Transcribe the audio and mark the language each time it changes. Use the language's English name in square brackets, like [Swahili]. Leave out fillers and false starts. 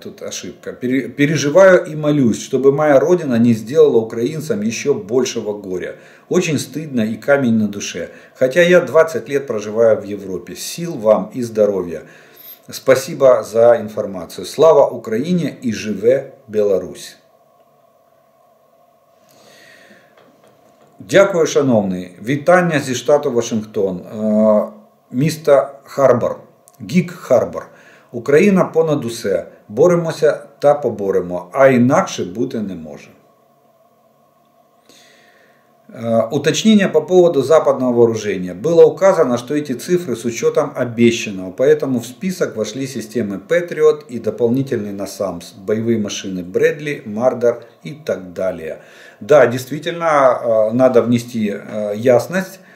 [Russian] Переживаю и молюсь, чтобы моя родина не сделала украинцам еще большего горя. Очень стыдно и камень на душе. Хотя я 20 лет проживаю в Европе. Сил вам и здоровья. Спасибо за информацию. Слава Украине и живе Беларусь. [Ukrainian] Дякую, шановний. Вітання зі штату Вашингтон, міста Харбор, Гік Харбор. Україна понад усе. Боремося та поборемо, а інакше бути не може. [Russian] Уточнение по поводу западного вооружения. Было указано, что эти цифры с учетом обещанного, поэтому в список вошли системы Patriot и дополнительный NASAMS, боевые машины Брэдли, Мардер и так далее. Да, действительно, надо внести ясность.